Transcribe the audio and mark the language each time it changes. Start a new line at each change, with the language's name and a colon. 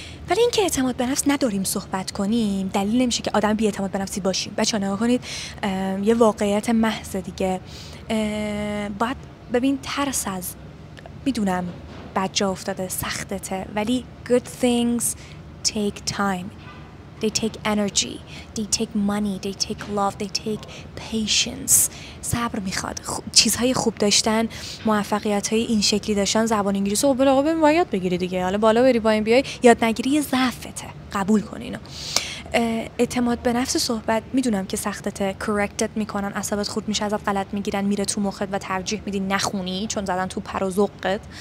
Persian: ولی اینکه اعتماد به نفس نداریم صحبت کنیم دلیل نمیشه که آدم بی اعتماد به نفسی باشیم. بچه ها نگاه کنید، یه واقعیت محض دیگه. باید ببین ترس از میدونم بد جا افتاده سختته، ولی
English: good things take time, they take energy, they take money, they take love, they take patience.
Persian: صبر میخواد. چیزهای خوب داشتن، موفقیت‌های این شکلی داشتن، زبان انگلیسی رو بلاغه ببین و یاد بگیری دیگه. حالا بالا بری پایین بیای، یاد نگیری ضعفته. قبول کن اینو. اعتماد به نفس صحبت میدونم که سختته، کرکتت میکنن، عصبت خورد میشه، ازت غلط میگیرن، میره تو مخت و ترجیح میدی نخونی چون زدن تو پر و زقت.